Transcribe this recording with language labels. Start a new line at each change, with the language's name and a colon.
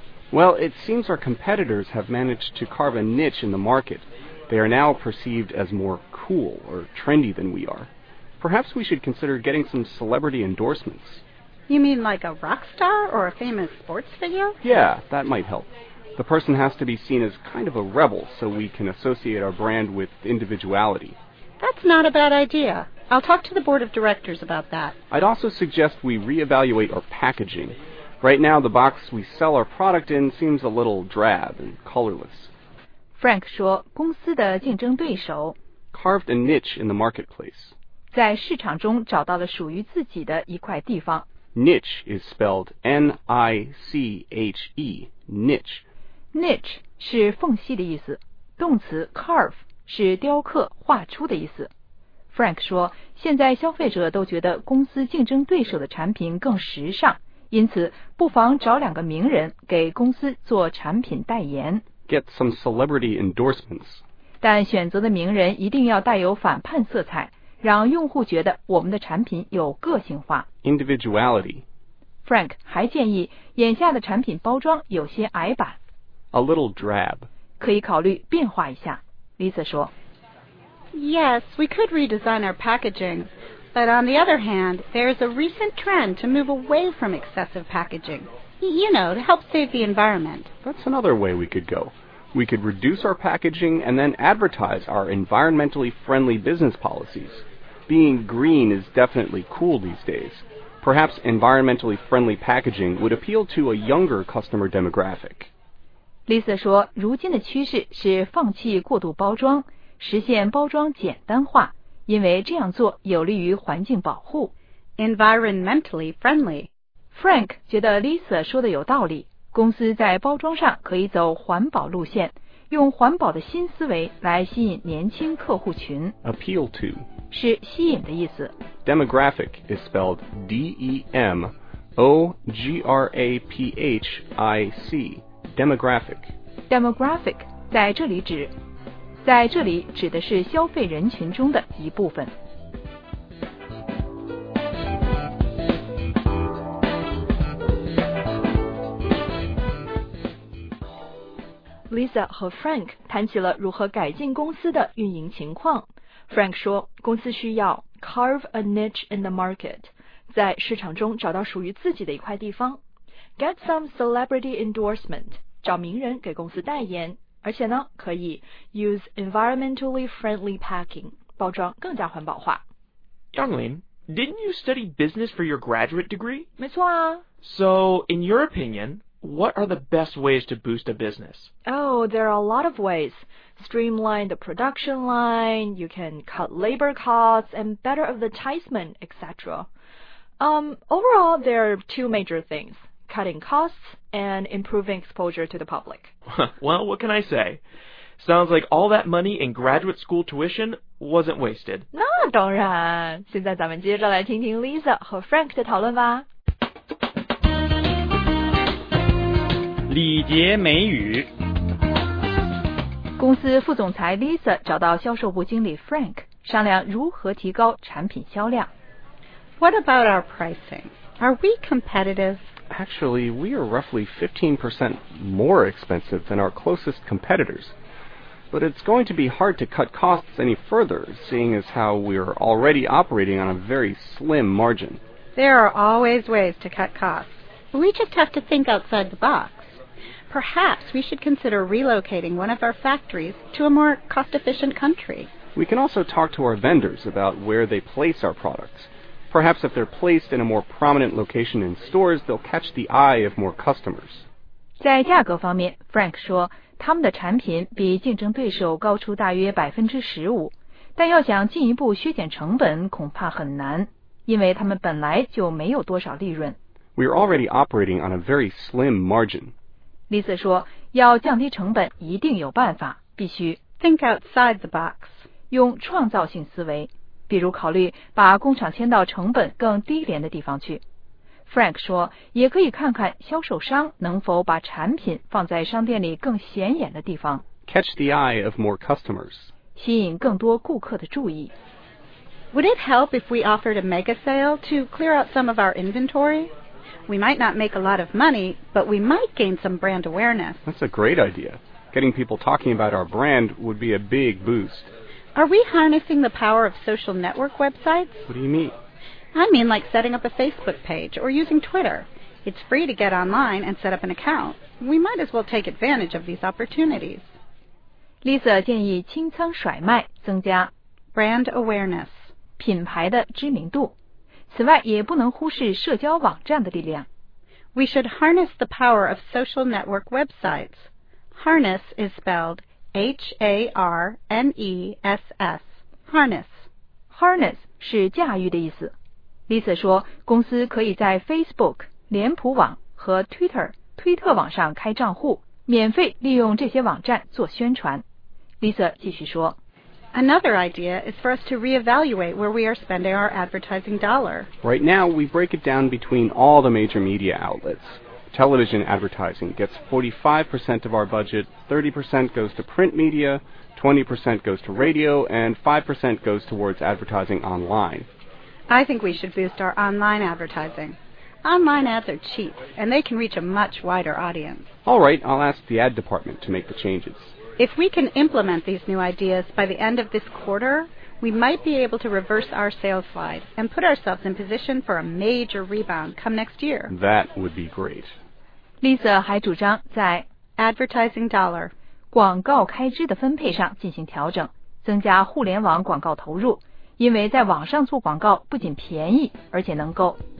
English: Well, it seems our competitors have managed to carve a niche in the market. They are now perceived as more cool or trendy than we are. Perhaps we should consider getting some celebrity endorsements. You mean like a rock star or a famous sports figure? Yeah, that might help. The person has to be seen as kind of a rebel so we can associate our brand with individuality. That's not a bad idea. I'll talk to the board of directors about that. I'd also suggest we reevaluate our packaging. Right now, the box we sell our product in seems a little drab and colorless.
Chinese: Frank 说公司的竞争对手
English: carved a niche in the marketplace.
Chinese: 在市场中找到了属于自己的一块地方。
English: Niche is spelled N-I-C-H-E, niche.
Chinese: Niche 是缝隙的意思，动词 carve 是雕刻、画出的意思。 Frank 说，现在消费者都觉得公司竞争对手的产品更时尚，因此不妨找两个名人给公司做产品代言。
English: Get some celebrity endorsements.
Chinese: 但选择的名人一定要带有反叛色彩，让用户觉得我们的产品有个性化。
English: Individuality.
Chinese: Frank 还建议，眼下的产品包装有些矮板。
English: A little drab.
Chinese: 可以考虑变化一下。Lisa 说。
English: Yes, we could redesign our packaging. But on the other hand, there's a recent trend to move away from excessive packaging. You know, to help save the environment. That's another way we could go. We could reduce our packaging and then advertise our environmentally friendly business policies. Being green is definitely cool these days. Perhaps environmentally friendly packaging would appeal to a younger customer demographic.
Chinese: Lisa 说，如今的趋势是放弃过度包装，实现包装简单化，因为这样做有利于环境保护。
English: Environmentally friendly.
Chinese: Frank 觉得 Lisa 说的有道理，公司在包装上可以走环保路线，用环保的新思维来吸引年轻客户群。
English: Appeal to
Chinese: 是吸引的意思。
English: Demographic is spelled D-E-M-O-G-R-A-P-H-I-C. Demographic.
Chinese: Demographic 在这里指在这里指的是消费人群中的一部分。 Lisa 和 Frank 谈起了如何改进公司的运营情况。 Frank 说，公司需要
English: carve a niche in the market，
Chinese: 在市场中找到属于自己的一块地方 ，
English: get some celebrity endorsement，
Chinese: 找名人给公司代言，而且呢，可以
English: use environmentally friendly packing，
Chinese: 包装更加环保化。
English: Youngling， didn't you study business for your graduate degree？
Chinese: 没错啊。
English: So in your opinion。 What are the best ways to boost a business? Oh, there are a lot of ways. Streamline the production line, you can cut labor costs, and better advertisement, etc. Overall, there are two major things, cutting costs and improving exposure to the public. Well, what can I say? Sounds like all that money in graduate school tuition wasn't wasted.
Chinese: 那当然，现在咱们接着来听听 Lisa 和 Frank 的讨论吧。礼节美语。公司副总裁 Lisa 找到销售部经理 Frank， 商量如何提高产品销量。
English: What about our pricing? Are we competitive? Actually, we are roughly 15% more expensive than our closest competitors. But it's going to be hard to cut costs any further, seeing as how we are already operating on a very slim margin. There are always ways to cut costs. We just have to think outside the box. Perhaps we should consider relocating one of our factories to a more cost-efficient country. We can also talk to our vendors about where they place our products. Perhaps if they're placed in a more prominent location in stores, they'll catch the eye of more customers.
Chinese: 在价格方面 ,Frank 说他们的产品比竞争对手高出大约 15%, 但要想进一步削减成本恐怕很难,因为他们本来就没有多少利润。
English: We are already operating on a very slim margin.
Chinese: Lisa 说要降低成本一定有办法，必须
English: think outside the box，
Chinese: 用创造性思维，比如考虑把工厂迁到成本更低廉的地方去。 Frank 说也可以看看销售商能否把产品放在商店里更显眼的地方，
English: catch the eye of more customers，
Chinese: 吸引更多顾客的注意。
English: Would it help if we offered a mega sale to clear out some of our inventory? We might not make a lot of money, but we might gain some brand awareness. That's a great idea. Getting people talking about our brand would be a big boost. Are we harnessing the power of social network websites? What do you mean? I mean like setting up a Facebook page or using Twitter. It's free to get online and set up an account. We might as well take advantage of these opportunities.
Chinese: Lisa 建议清仓甩卖，增加
English: brand awareness
Chinese: 品牌的知名度。此外，也不能忽视社交网站的力量。
English: We should harness the power of social network websites. Harness is spelled H-A-R-N-E-S-S. Harness.
Chinese: Harness 是驾驭的意思。Lisa 说，公司可以在 Facebook、脸谱网和 Twitter、推特网上开账户，免费利用这些网站做宣传。 Lisa 继续说。
English: Another idea is for us to reevaluate where we are spending our advertising dollar. Right now, we break it down between all the major media outlets. Television advertising gets 45% of our budget, 30% goes to print media, 20% goes to radio, and 5% goes towards advertising online. I think we should boost our online advertising. Online ads are cheap, and they can reach a much wider audience. All right, I'll ask the ad department to make the changes. If we can implement these new ideas by the end of this quarter, we might be able to reverse our sales slide and put ourselves in position for a major rebound come next year. That would be great.
Chinese: Lisa 还主张在
English: advertising dollar
Chinese: 广告开支的分配上进行调整，增加互联网广告投入，因为在网上做广告不仅便宜，而且能够